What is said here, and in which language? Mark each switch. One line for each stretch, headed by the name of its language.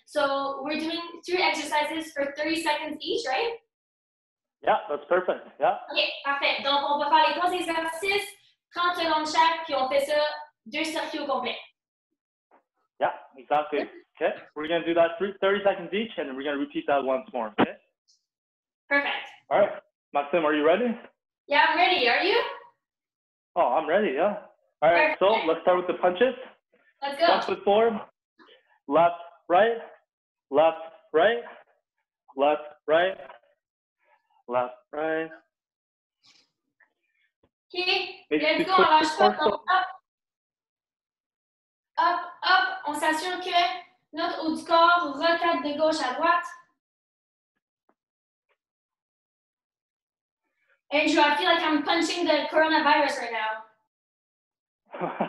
English: So, we're doing three exercises for 30 seconds each, right? Yeah, that's perfect, yeah.
French: Okay, parfait. Donc, on va faire les trois exercices, 30 secondes chaque, puis on fait ça deux circuits au complet.
English: Yeah, exactly. Okay, we're going to do that 30 seconds each, and we're going to repeat that once more, okay? Perfect. All right, Maxymme, are you ready? Yeah, I'm ready. Are you? Oh, I'm ready, yeah. All right, perfect. So let's start with the punches. Let's go. Front foot forward. Left, right. Left, right. Left, right. Left, right. Okay, let's go.
French: On lâche pas. Donc,
English: up. Up, up.
French: On s'assure que notre haut du corps rotate de gauche à droite.
English: Andrew, I feel like I'm punching the coronavirus right now.